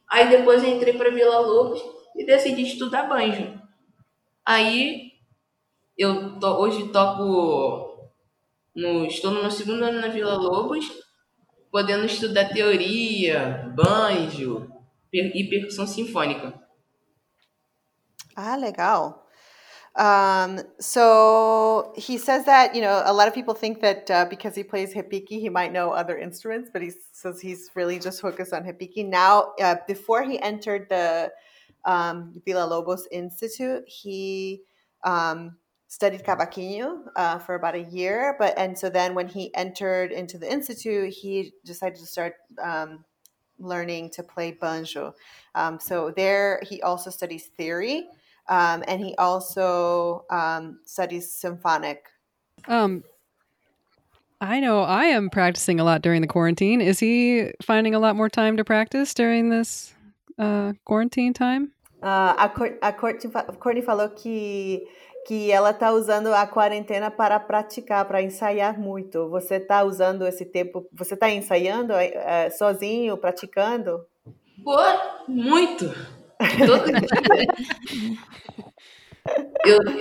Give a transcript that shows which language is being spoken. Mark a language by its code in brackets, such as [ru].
[pt] Aí depois eu entrei para Vila Lobos e decidi estudar banjo. Aí eu estou no meu segundo ano na Vila Lobos, podendo estudar teoria, banjo e percussão sinfônica. Ah, legal. [en] So he says that, you know, a lot of people think that because he plays repique, he might know other instruments, but he says he's really just focused on repique. Now, before he entered the Vila Lobos Institute, he studied cavaquinho for about a year. So then when he entered into the institute, he decided to start learning to play banjo. So there he also studies theory. And he also studies symphonic. I know I am practicing a lot during the quarantine. Is he finding a lot more time to practice during this quarantine time? [pt] A Courtney falou que ela está usando a quarentena para praticar, para ensaiar muito. Você está usando esse tempo, você está ensaiando sozinho, praticando? Muito! Todo dia.